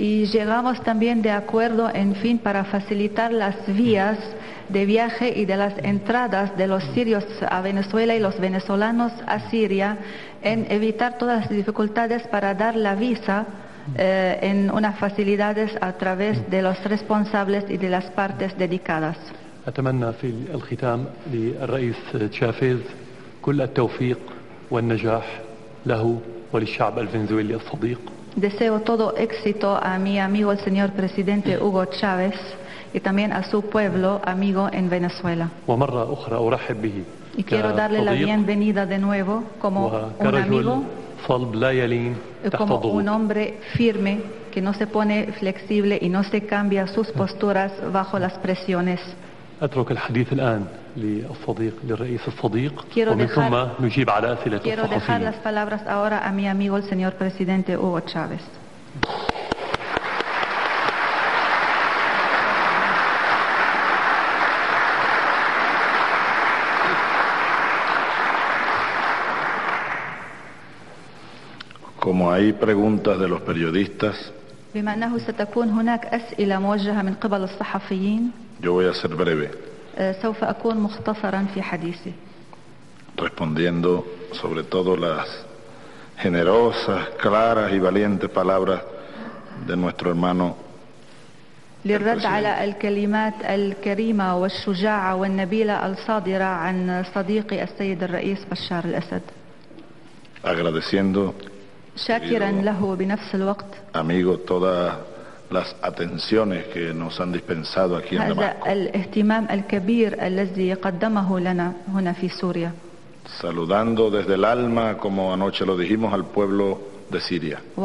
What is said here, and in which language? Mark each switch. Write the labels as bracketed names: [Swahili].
[Spanish] Y llegamos también de acuerdo en fin para facilitar las vías de viaje y de las entradas de los sirios a Venezuela y los venezolanos a Siria, en evitar todas las dificultades para dar la visa en unas facilidades a través de los responsables y de las partes dedicadas. [Arabic] أتمنى في الختام للرئيس تشافيز كل التوفيق والنجاح له وللشعب الفنزويلي الصديق. [Spanish] Deseo todo éxito a mi amigo el señor presidente Hugo Chávez y también a su pueblo amigo en Venezuela. [Arabic] ومرة أخرى أرحب به. [Spanish] Y quiero darle la bienvenida de nuevo como un amigo. [Arabic] صلب لا يلين تحت [Spanish] como [Arabic] ضغط. [Spanish] Un hombre firme que no se pone flexible y no se cambia sus posturas bajo las presiones. [Arabic] أترك الحديث الآن للصديق للرئيس الصديق ومن ثم نجيب على أسئلة الصحفيين. [Spanish] Quiero dejar las palabras ahora a mi amigo el señor presidente Hugo Chávez. Como hay preguntas de los periodistas. [Arabic] بما أنه ستكون هناك أسئلة موجهة من قبل الصحفيين. [Spanish] Yo voy a ser breve. [Arabic] سوف أكون مختصرا في حديثي. [Spanish] Respondiendo sobre todo las generosas, claras y valientes palabras de nuestro hermano. [Arabic] للرد على الكلمات الكريمة والشجاعة والنبيلة الصادرة عن صديقي السيد الرئيس بشار الأسد. [Spanish] Agradeciendo. [Arabic] شاكرا له بنفس الوقت. [Spanish] Amigo, toda las atenciones que nos han dispensado aquí en Damasco. Saludando desde el alma, como anoche lo dijimos, al pueblo de Siria.